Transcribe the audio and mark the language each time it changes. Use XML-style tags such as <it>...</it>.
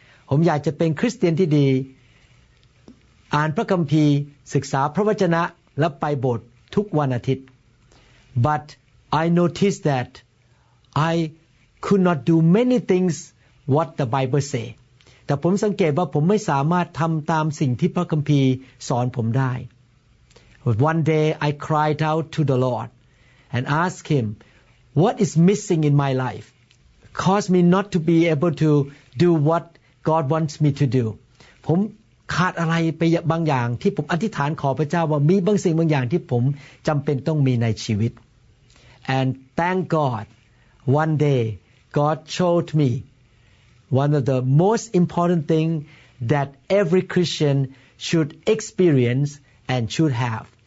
<th>ผมอยากจะเป็นคริสเตียนที่ดีอ่านพระคัมภีร์ศึกษาพระวจนะและไปโบสถ์ทุกวันอาทิตย์</th> <en>But I noticed that I could not do many things what the Bible say.</en> <th>แต่ผมสังเกตว่าผมไม่สามารถทำตามสิ่งที่พระคัมภีร์สอนผมได้</th> <en>One day I cried out to the Lord and asked him. What is missing in my life caused me not to be able to do what God wants me to do.</en> <th>ผมขาดอะไรไปบางอย่างที่ผมอธิษฐานขอพระเจ้าว่ามีบางสิ่งบางอย่างที่ผมจำเป็นต้องมีในชีวิต</th> <en>And thank God, one day God showed me one of the most important thing that every Christian should experience and should have.</en>